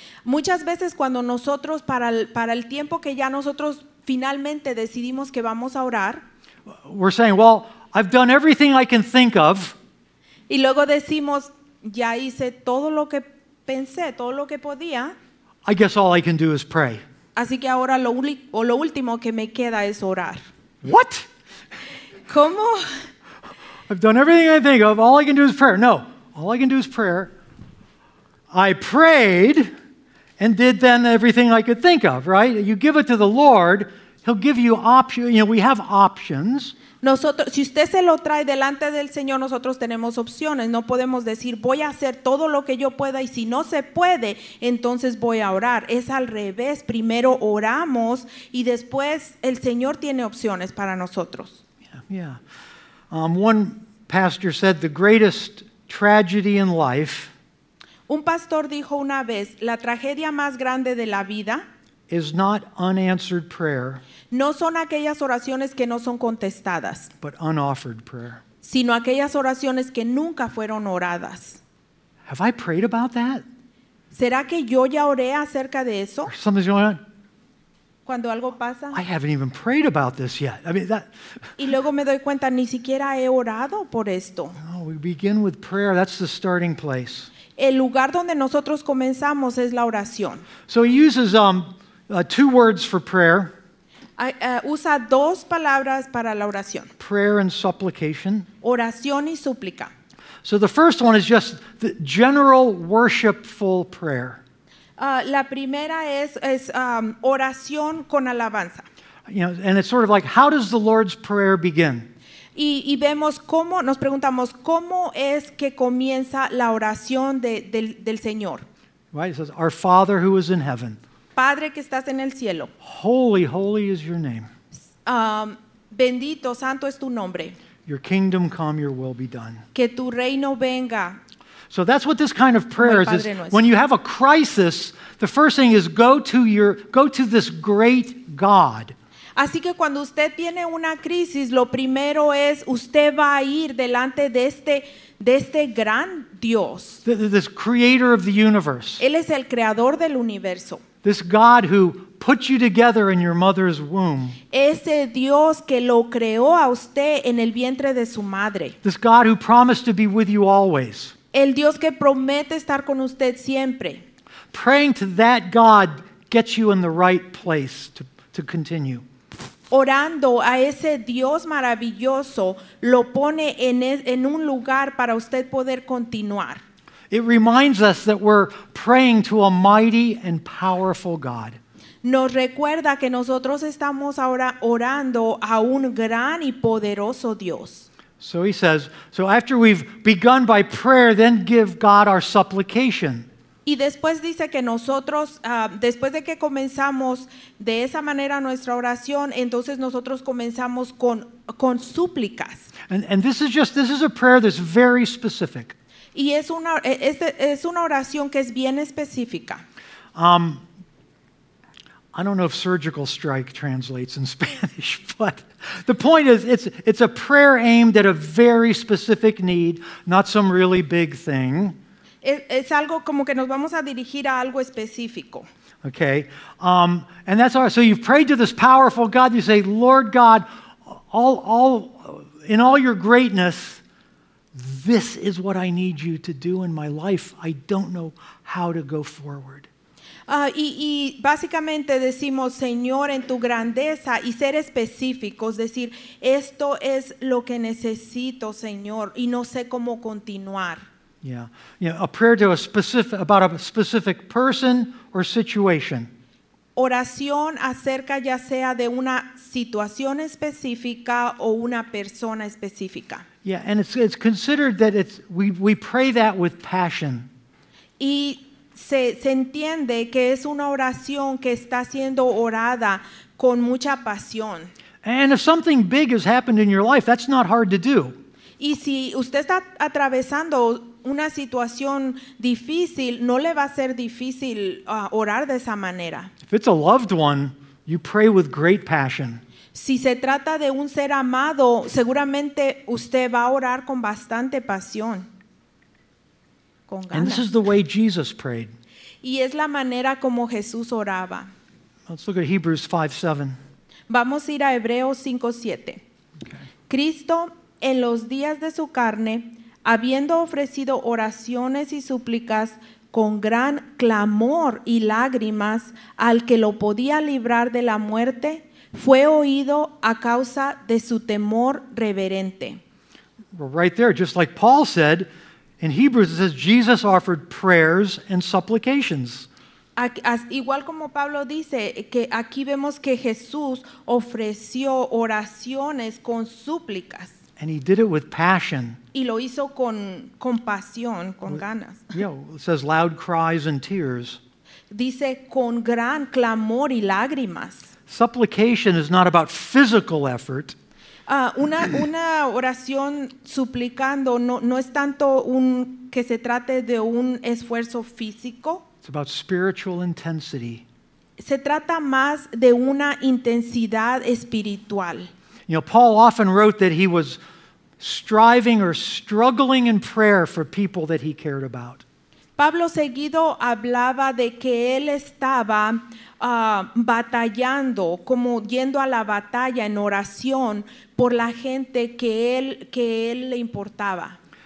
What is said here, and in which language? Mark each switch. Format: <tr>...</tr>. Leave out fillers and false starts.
<es>muchas veces cuando nosotros, para el tiempo que ya nosotros finalmente decidimos que vamos a orar,</es> <en>we're saying, well, I've done everything I can think of.</en> <es>Y luego decimos, ya hice todo lo que pensé, todo lo que podía.</es> <en>I guess all I can do is pray.</en> <es>Así que ahora lo último que me queda es orar.</es> <en>What?</en> <es>¿Cómo?</es> <en>I've done everything I think of. All I can do is prayer. No, all I can do is prayer. I prayed and did then everything I could think of, right? You give it to the Lord, he'll give you options. You know, we have options.</en> <es>Nosotros, si usted se lo trae delante del Señor, nosotros tenemos opciones. No podemos decir, voy a hacer todo lo que yo pueda y si no se puede, entonces voy a orar. Es al revés. Primero oramos y después el Señor tiene opciones para nosotros.</es> <en>Yeah, yeah. One pastor said the greatest tragedy in life.</en> <es>Un pastor dijo una vez, la tragedia más grande de la vida</es> <en>is not unanswered prayer.</en> <es>No son aquellas oraciones que no son contestadas,</es> <en>but unoffered prayer.</en> <es>Sino aquellas oraciones que nunca fueron oradas.</es> <en>Have I prayed about that?</en> <es>¿Será que yo ya oré acerca de eso?</es> <en>Or something's going on.</en> <es>Cuando algo pasa.</es> <en>I haven't even prayed about this yet. I mean that.</en> <es>Y luego me doy cuenta, ni siquiera he orado por esto.</es> <en>No, we begin with prayer. That's the starting place.</en> <es>El lugar donde nosotros comenzamos es la oración.</es> <en>So he uses two words for prayer.</en> <es>Usa dos palabras para la oración.</es> <en>Prayer and supplication.</en> <es>Oración y súplica.</es> <en>So the first one is just the general worshipful prayer.</en> <es>La primera es oración con alabanza.</es> <en>You know, and it's sort of like, how does the Lord's Prayer begin?</en> <es>Y vemos cómo, nos preguntamos, ¿cómo es que comienza la oración del Señor?</es> <en>Right, it says, our Father who is in heaven.</en> <es>Padre que estás en el cielo.</es> <en>Holy, holy is your name.</en> <es>Bendito, santo es tu nombre.</es> <en>Your kingdom come, your will be done.</en> <es>Que tu reino venga.</es> <en>So that's what this kind of prayer is. When you have a crisis, the first thing is go to this great God.</en> <es>Así que cuando usted tiene una crisis, lo primero es usted va a ir delante de este gran Dios.</es> <en>This creator of the universe.</en> <es>Él es el creador del universo.</es> <en>This God who put you together in your mother's womb.</en> <es>Ese Dios que lo creó a usted en el vientre de su madre.</es> <en>This God who promised to be with you always.</en> <es>El Dios que promete estar con usted siempre.</es> <en>Praying to that God gets you in the right place to continue.</en> <es>orando a ese Dios maravilloso, lo pone en un lugar para usted poder continuar.</es> <en>It reminds us that we're praying to a mighty and powerful God.</en> <es>Nos recuerda que nosotros estamos ahora orando a un gran y poderoso Dios.</es> <en>So he says, so after we've begun by prayer, then give God our supplication.</en> <es>Y después dice que nosotros, después de que comenzamos de esa manera nuestra oración, entonces nosotros comenzamos con súplicas.</es> <en>And this is a prayer that's very specific.</en> <es>Y es una oración que es bien específica.</es> <en>I don't know if surgical strike translates in Spanish, but the point is it's a prayer aimed at a very specific need, not some really big thing.</en> <es>Es algo como que nos vamos a dirigir a algo específico.</es> <en>Okay. And that's all right. So you've prayed to this powerful God. You say, Lord God, all in all your greatness, this is what I need you to do in my life. I don't know how to go forward.</en> <es>Y básicamente decimos, Señor, en tu grandeza, y ser específicos, decir, esto es lo que necesito, Señor, y no sé cómo continuar.</es> <en>Yeah, you know, a prayer to a specific, about a specific person or situation.</en> <es>Oración acerca ya sea de una situación específica o una persona específica.</es> <en>Yeah, and it's considered that we pray that with passion.</en> <es>Y se entiende que es una oración que está siendo orada con mucha pasión.</es> <en>And if something big has happened in your life, that's not hard to do.</en> <es>Y si usted está atravesando una situación difícil, no le va a ser difícil orar de esa manera.</es> <en>If it's a loved one, you pray with great passion.</en> <es>Si se trata de un ser amado, seguramente usted va a orar con bastante pasión. Con ganas.</es> <en>And this is the way Jesus prayed.</en> <es>Y es la manera como Jesús oraba.</es> <en>Let's look at Hebrews 5:7.</en> <es>Vamos a ir a Hebreos 5:7. Okay. Cristo, en los días de su carne, habiendo ofrecido oraciones y súplicas con gran clamor y lágrimas al que lo podía librar de la muerte, fue oído a causa de su temor reverente.</es> <en>Right there, just like Paul said, in Hebrews it says Jesus offered prayers and supplications.</en> <es>Igual como Pablo dice, que aquí vemos que Jesús ofreció oraciones con súplicas.</es> <en>And he did it with passion.</en> <es>Y lo hizo con pasión, con ganas.</es> <en>Yeah, it says loud cries and tears.</en> <es>Dice con gran clamor y lágrimas.</es> <en>Supplication is not about physical effort.</en> <es>Una oración suplicando no es tanto un que se trate de un esfuerzo físico.</es> <en>It's about spiritual intensity.</en> <es>Se trata más de una intensidad espiritual.</es> <en>You know, Paul often wrote that he was striving or struggling in prayer for people that he cared about.</en> <es>Pablo seguido hablaba de que él estaba batallando, como yendo a la batalla en oración por la gente que él le importaba.</es>